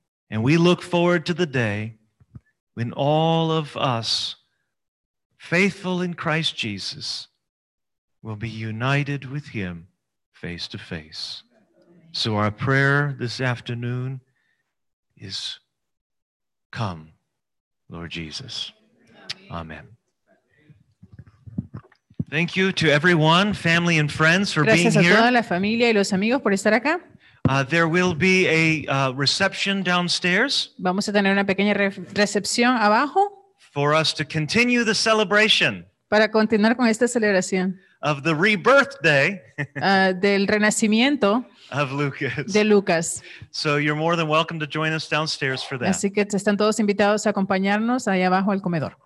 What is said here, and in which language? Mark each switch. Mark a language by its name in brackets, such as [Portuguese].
[English] And we look forward to the day when all of us, faithful in Christ Jesus, will be united with him face to face. So our prayer this afternoon is, come, Lord Jesus. Amen. Thank you to everyone, family and friends, for [Spanish] gracias [English] being here. [Spanish] Gracias a toda la familia y los amigos por estar acá. [English] There will be a reception downstairs. [Spanish] Vamos a tener una pequeña recepción abajo. [English] For us to continue the celebration. [Spanish] Para continuar con esta celebración. [English] Of the rebirth day. [Spanish] Del renacimiento. [English] Of Lucas. [Spanish] De Lucas. [English] So you're more than welcome to join us downstairs for that. [Spanish] Así que están todos invitados a acompañarnos ahí abajo al comedor.